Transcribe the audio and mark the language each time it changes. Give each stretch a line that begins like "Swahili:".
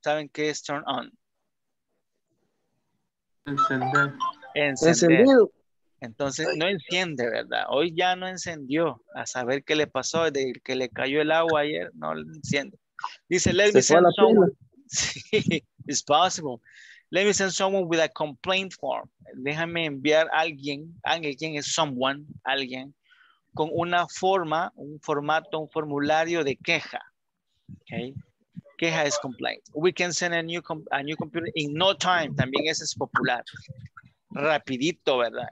Spanish: ¿Saben qué es turn on? Encendido. Entonces, no enciende, ¿verdad? Hoy ya no encendió. A saber qué le pasó, de que le cayó el agua ayer, no enciende. Dice,
English: let me send someone.
Spanish: Sí.
English: It's possible. Let me send someone with a complaint form.
Spanish: Déjame enviar a alguien, alguien es someone, alguien, con una forma, un formato, un formulario de queja.
English: Okay.
Spanish: Queja es
English: complaint. We can send a new computer in no time.
Spanish: También ese es popular. Rapidito, ¿verdad?